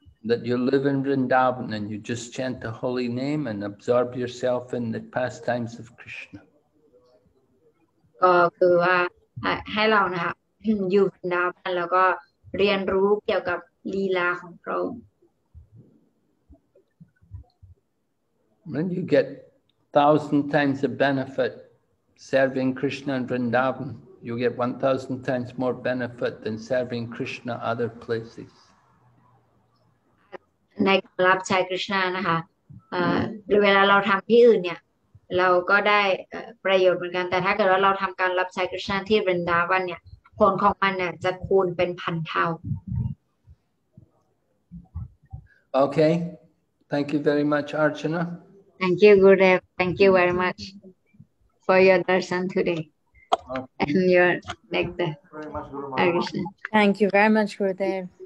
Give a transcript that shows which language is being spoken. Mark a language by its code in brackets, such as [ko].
[en] That you live in Vrindavan and you just chant the holy name and absorb yourself in the pastimes of Krishna. [th] ก็คือว่าให้เรานะคะอยู่ Vrindavan แล้วก็เรียนรู้เกี่ยวกับ ลีลาของพระองค์ [en] Then you get 1,000 times the benefit serving Krishna in Vrindavan. You get 1,000 times more benefit than serving Krishna other places. [th] ในการรับใช้คริสต์นะคะเวลาเราทำที่อื่นเนี่ยเราก็ได้ประโยชน์เหมือนกันแต่ถ้าเกิดว่าเราทำการรับใช้คริสต์ที่เวนดาวันเนี่ยผลของมันเนี่ยจะคูณเป็นพันเท่า [en] โอเค thank you very much Archana thank you Gurudev thank you very much for your darshan today and your next Arjuna thank you very much Gurudev